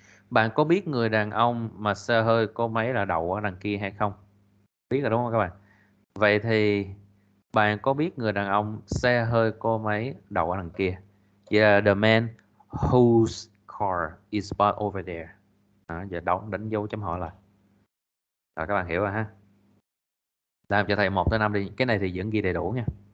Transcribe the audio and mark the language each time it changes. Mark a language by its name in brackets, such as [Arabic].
[Vietnamese] Bạn có biết người đàn ông mà xe hơi có máy là đậu ở đằng kia hay không? Biết rồi đúng không các bạn? Vậy thì bạn có biết người đàn ông xe hơi có máy đậu ở đằng kia? [English] Yeah, the man whose car is parked over there. [Vietnamese] Đó, giờ đánh dấu chấm hỏi lại. Đó, các bạn hiểu rồi ha. Làm cho thầy 1 tới 5 đi. Cái này thì vẫn ghi đầy đủ nha.